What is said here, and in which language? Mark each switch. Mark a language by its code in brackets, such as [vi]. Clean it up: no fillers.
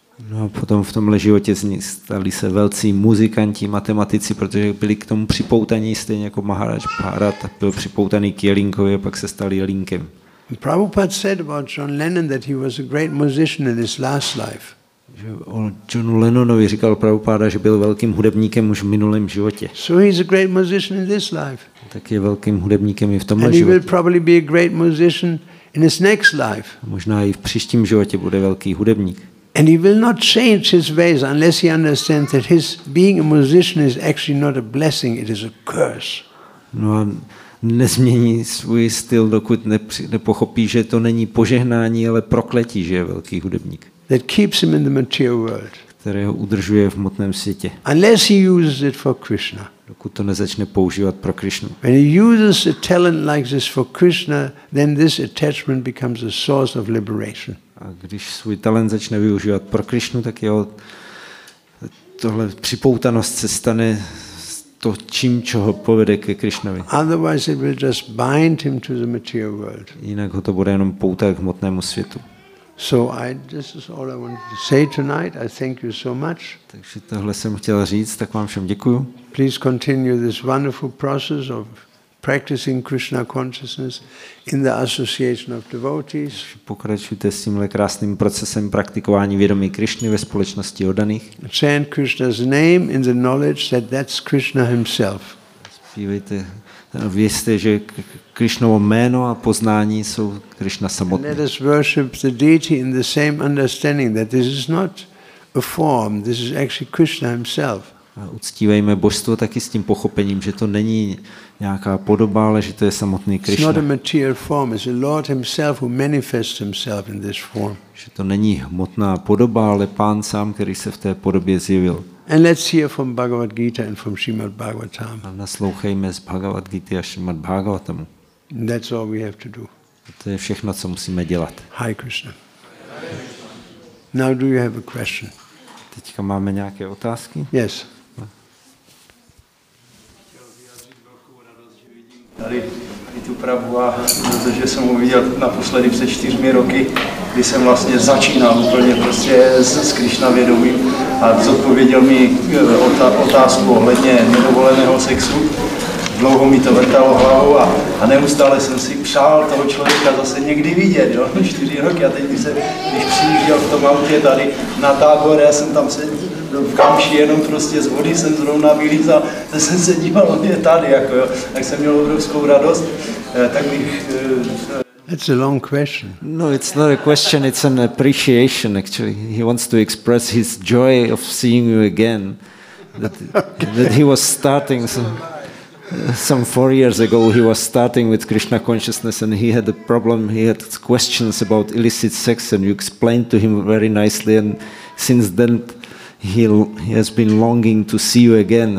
[cs] No a potom v tomhle životě stali se velcí muzikanti, matematici, protože byli k tomu připoutaní, stejně jako Maharaj Bharat, byl připoutaný k jelinkovi a pak se stali jelinkem. [en] Prabhupada said about John Lennon that he was a great musician in his last life. [cs] Že o Johnu Lennonovi říkal Prabhupada, že byl velkým hudebníkem už v minulém životě. [en] So he's a great musician in this life. [cs] Tak je velkým hudebníkem i v tomhle životě. [en] And he will probably be a great musician in his next life. [cs] Možná i v příštím životě bude velký hudebník. [en] And he will not change his ways unless he understands that his being a musician is actually not a blessing, it is a curse. [cs] No a nezmění svůj styl, dokud nepochopí, že to není požehnání, ale prokletí, že je velký hudebník. [en] That keeps him in the material world. [cs] Které ho udržuje v hmotném světě. [en] Unless he uses it for Krishna. [cs] Dokud to nezačne používat pro Krishnu. [en] When he uses a talent like this for Krishna, then this attachment becomes a source of liberation. [cs] A když svůj talent začne využívat pro Krishnu, tak jeho tohle připoutanost se stane to, čím čo ho povede ke Krishnovi. [en] Otherwise it will just bind him to the material world. [cs] Jinak ho to bude jenom poutat k hmotnému světu. [en] So this is all I wanted to say tonight. I thank you so much. [cs] Takže tohle jsem chtěl říct, tak vám všem děkuju. [en] Please continue this wonderful process of practicing Krishna consciousness in the association of devotees. [cs] Pokračujte s tímhle krásným procesem praktikování vědomí Krishny ve společnosti oddaných. [en] Chant Krishna's name in the knowledge that that's Krishna himself. [cs] Zpívejte, vězte, že Krishnovo jméno a poznání jsou Krishna samotné. [en] Let us worship the deity in the same understanding that this is not a form, this is actually Krishna himself. [cs] A uctívejme božstvo taky s tím pochopením, že to není nějaká podoba, ale že to je samotný Krishna. [en] It's not a material form, it's the Lord himself who manifests himself in this form. [cs] Že to není hmotná podoba, ale pán sám, který se v té podobě zjevil. [en] And let's hear from Bhagavad Gita and from Srimad Bhagavatam. [cs] A naslouchejme z Bhagavad Gita a Srimad Bhagavatam. [en] That's all we have to do. [cs] A to je všechno, co musíme dělat. [en] Hi Krishna. Now do you have a question? [cs] Teďka máme nějaké otázky? [en] Yes. [cs] Tady tu pravu a protože jsem ho viděl naposledy před 4 roky, kdy jsem vlastně začínal úplně prostě s Krishna vědomím a zodpověděl mi otázku ohledně nedovoleného sexu. Dlouho mi to vrtalo hlavou a neustále jsem si přál toho člověka zase někdy vidět, jo? 4 roky a teď když přijížděl v tom autě tady na tábor, já jsem tam se v kamši jenom prostě z vody jsem zrovna vylízal, tak jsem se díval, on je tady, jako jo, tak jsem měl obrovskou radost, tak bych... [en] It's a long question. No, it's not a question, it's an appreciation, actually. He wants to express his joy of seeing you again, that he was starting some 4 years ago, he was starting with Krishna consciousness and he had a problem, he had questions about illicit sex and you explained to him very nicely and since then he has been longing to see you again.